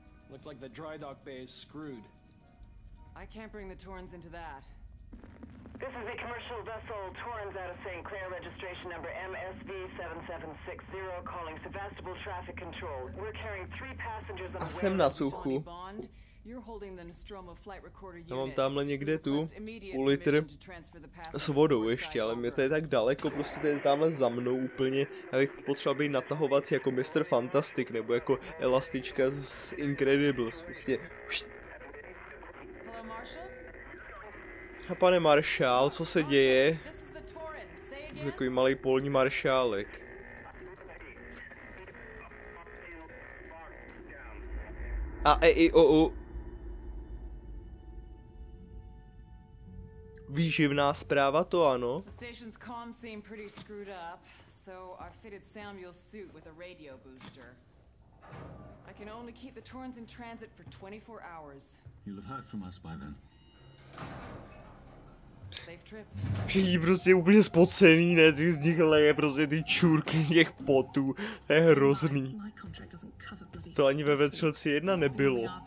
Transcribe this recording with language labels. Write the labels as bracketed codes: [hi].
[en] Looks like the dry dock bay is screwed. I can't bring the Torrens into that. This is a commercial vessel, Torrens out of St. Clair, registration number MSV7760, calling Sevastopol traffic control. We're carrying three passengers on the way to Tony Bond. You're holding the Nostromo flight recorder unit. [cs] Mám tamhle někde tu půl litr s vodou ještě, ale mě to je tak daleko, prostě to je tamhle za mnou úplně. Já bych potřeboval být natahovací jako Mr. Fantastic nebo jako Elastička z Incredibles, prostě. [en] Hello, Marshall? [cs] A pane Marshall, co se děje? Takový malý polní maršálek. A EIOU. Výživná zpráva, to ano. [en] The station's comm seemed pretty screwed up, so I fitted Samuel's suit with a radio booster. I can only keep the Torrens in transit for 24 hours. You'll have heard from us by then. Safe trip. [cs] Všichni prostě úplně spocený, ne? Z nich leje prostě ty čůrky těch potů. To je hrozný. To ani ve vetřelci 1 nebylo.